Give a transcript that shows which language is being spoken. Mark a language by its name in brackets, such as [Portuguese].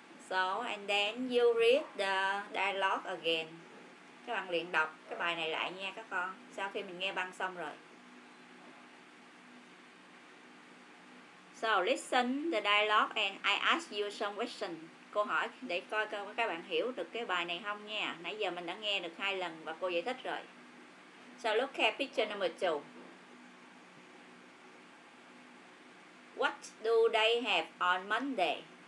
[English] So, and then you read the dialogue again. [Vietnamese] Các bạn luyện đọc cái bài này lại nha các con, sau khi mình nghe băng xong rồi. [English] So, listen the dialogue and I ask you some question. [Vietnamese] Cô hỏi để coi các bạn hiểu được cái bài này không nha. Nãy giờ mình đã nghe được 2 lần và cô giải thích rồi. [English] So, look at picture number 2. What do they have on Monday?